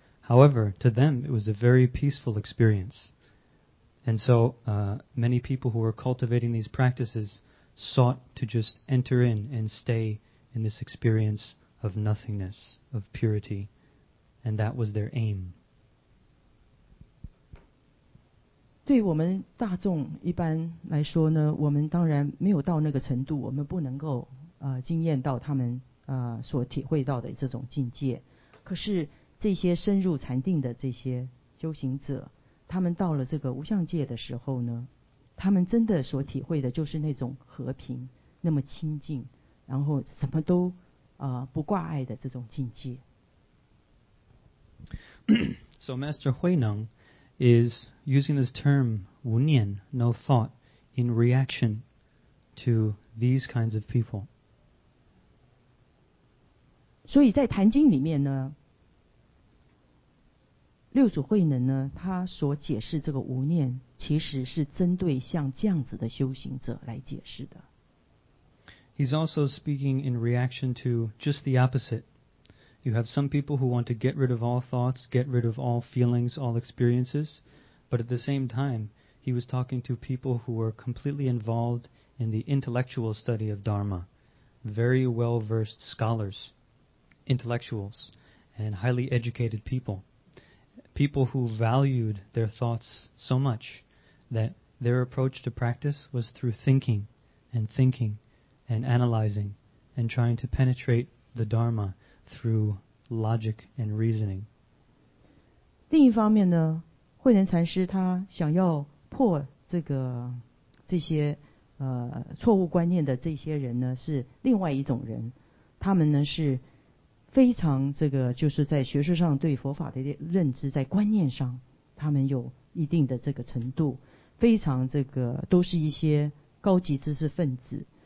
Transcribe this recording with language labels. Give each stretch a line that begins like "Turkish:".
English: However, to them, it was a very peaceful experience. And so, many people who were cultivating these practices sought to just enter in and stay in this experience of nothingness, of purity, and that was their aim.
Chinese: 对我们大众一般来说呢，我们当然没有到那个程度，我们不能够经验到他们所体会到的这种境界。可是这些深入禅定的这些修行者，他们到了这个无相界的时候呢，他们真的所体会的就是那种和平，那么清净，然后什么都不挂碍的这种境界。
English: So Master Hui Neng is using this term 无念 no thought in reaction to these kinds of people.
Chinese: 所以在坛经里面呢，六祖慧能呢，他所解释这个无念，其实是针对像这样子的修行者来解释的。
English: He's also speaking in reaction to just the opposite. You have some people who want to get rid of all thoughts, get rid of all feelings, all experiences, but at the same time, he was talking to people who were completely involved in the intellectual study of Dharma, very well-versed scholars, intellectuals, and highly educated people, people who valued their thoughts so much that their approach to practice was through thinking and thinking. And analyzing and trying to penetrate the Dharma through logic and reasoning.
Chinese: 另一方面呢，慧能禅师他想要破这个这些错误观念的这些人呢，是另外一种人。他们呢是非常这个就是在学术上对佛法的认知，在观念上他们有一定的这个程度，非常这个都是一些高级知识分子。